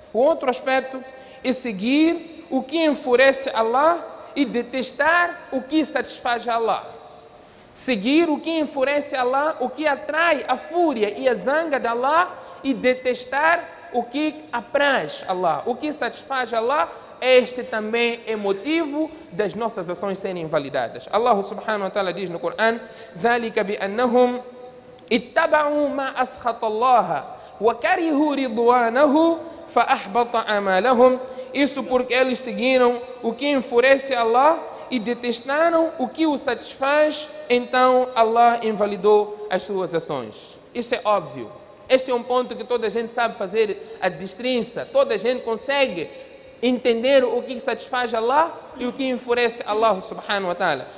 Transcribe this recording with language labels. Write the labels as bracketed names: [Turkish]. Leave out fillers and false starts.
[Portuguese] O outro aspecto é seguir o que enfurece Allah e detestar o que satisfaz Allah. Seguir o que enfurece Allah, o que atrai a fúria e a zanga de Allah, e detestar o que apraz Allah, o que satisfaz Allah, este também é motivo das nossas ações serem invalidadas. Allah subhanahu wa ta'ala diz no Coran: [Arabic] ذَلِكَ بِأَنَّهُمْ اتَّبَعُوا مَا أَسْخَطَ اللَّهَ وَكَرِهُوا رِضْوَانَهُ فَأَحْبَطَ أَعْمَالَهُمْ. [Portuguese] Isso porque eles seguiram o que enfurece Allah e detestaram o que o satisfaz, então Allah invalidou as suas ações. Isso é óbvio. Este é um ponto que toda a gente sabe fazer a distinção. Toda a gente consegue entender o que satisfaz Allah e o que enfurece Allah subhanahu wa ta'ala.